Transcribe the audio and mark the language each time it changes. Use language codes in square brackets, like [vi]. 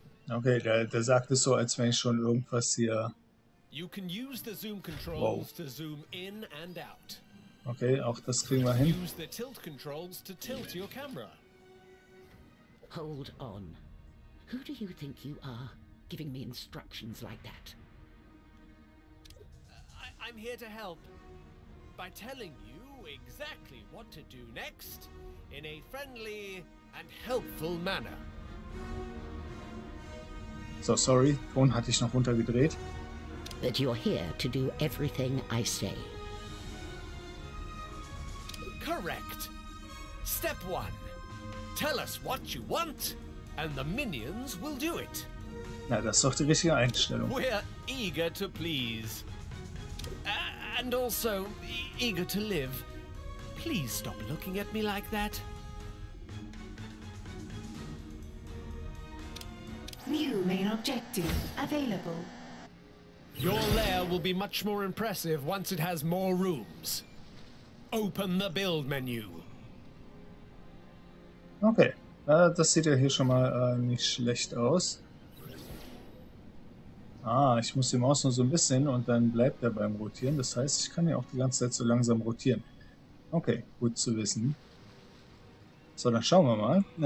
[de] Okay, der sagt es so, als wenn ich schon irgendwas hier. [en] You can use the zoom controls to zoom in and out. [de] Okay, auch das kriegen wir hin. [en] Use the tilt controls to tilt your camera. Hold on. Who do you think you are, giving me instructions like that? I'm here to help by telling you exactly what to do next in a friendly and helpful manner. [de] So, sorry, Ton hatte ich noch runtergedreht. [en] But you're here to do everything I say. Correct. Step one. Tell us what you want and the minions will do it. [de] Na, das ist doch die richtige Einstellung. [en] We're eager to please. And also eager to live. Please stop looking at me like that. New main objective available. Your lair will be much more impressive once it has more rooms. Open the build menu. [de] Okay, das sieht ja hier schon mal nicht schlecht aus. Ah, ich muss die Maus nur so ein bisschen und dann bleibt er beim Rotieren. Das heißt, ich kann ja auch die ganze Zeit so langsam rotieren. Okay, gut zu wissen. So, dann schauen wir mal.